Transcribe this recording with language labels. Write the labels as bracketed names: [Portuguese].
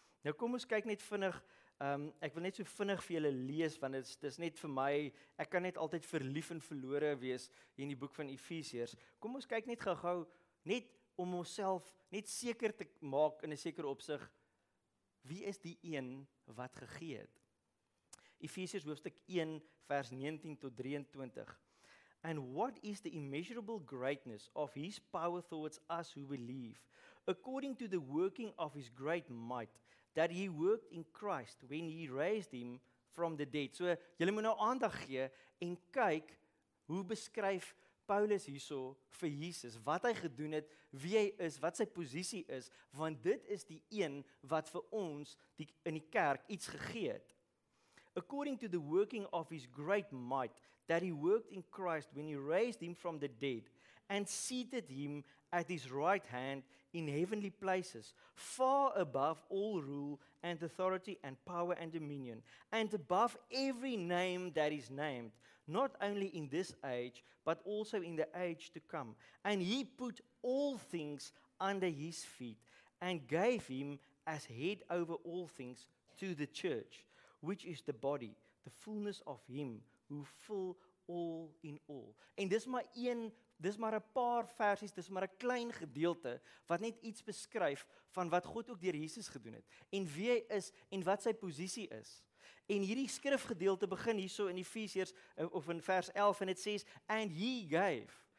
[Afrikaans] Nou kom ons kyk net vinnig, ek wil net so vinnig vir julle lees, want dit is net vir my, ek kan net altyd verlief en verlore wees hier in die boek van Efesiërs. Kom ons kyk net gou-gou, net om onsself net seker te maak in 'n sekere opsig, wie is die een wat gegee het? Efesiërs hoofstuk 1 vers 19 tot 23. [English] And what is the immeasurable greatness of his power towards us who believe, according to the working of his great might, that he worked in Christ when he raised him from the dead. [Afrikaans] So, julle moet nou aandag gee en kyk hoe beskryf Paulus hierso vir Jesus, wat hy gedoen het, wie hy is, wat sy posisie is, want dit is die een wat vir ons die, in die kerk iets gegee het. [English] According to the working of his great might that he worked in Christ when he raised him from the dead and seated him at his right hand in heavenly places, far above all rule and authority and power and dominion, and above every name that is named, not only in this age, but also in the age to come. And he put all things under his feet and gave him as head over all things to the church, which is the body, the fullness of him, who fill all in all. [Afrikaans] En dis maar een, dis maar 'n paar versies, dis maar 'n klein gedeelte, wat net iets beskryf van wat God ook deur Jesus gedoen het, en wie hy is, en wat sy posisie is. En hierdie skrifgedeelte begin hierso in Efesiërs, of in vers 11, en het sê, [English] and he gave.